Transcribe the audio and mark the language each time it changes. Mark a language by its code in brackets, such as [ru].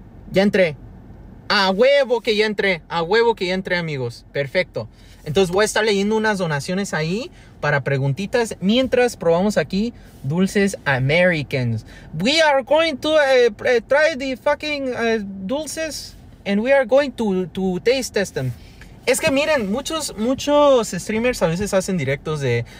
[es] Ya entré. A huevo que ya entré, amigos. Perfecto. Entonces voy a estar leyendo unas donaciones ahí para preguntitas mientras probamos aquí dulces Americans. [en] We are going to try the fucking dulces and we are going to taste test them. [es] Es que miren, muchos streamers a veces hacen directos de...